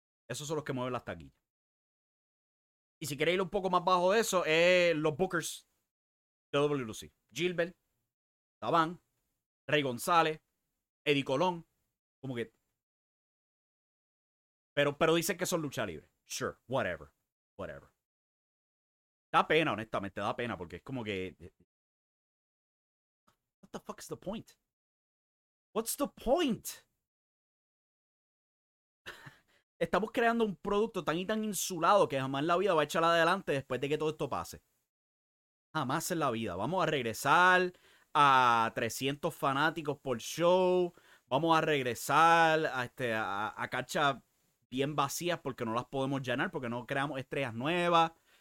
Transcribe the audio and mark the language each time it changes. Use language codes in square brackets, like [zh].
[es] Esos son los que mueven las taquillas. Y si queréis ir un poco más bajo de eso, los bookers de WLC. Gilbert, Tabán, Rey González, Eddie Colón. Como que... Pero dicen que son lucha libre. [en] Sure, whatever, whatever. [es] Da pena, honestamente, da pena, porque es como que... [en] What the fuck is the point? What's the point? [es] Estamos creando un producto tan y tan insulado que jamás en la vida va a echar adelante después de que todo esto pase. Jamás en la vida. Vamos a regresar a 300 fanáticos por show. Vamos a regresar a canchas bien vacías porque no las podemos llenar, porque no creamos estrellas nuevas.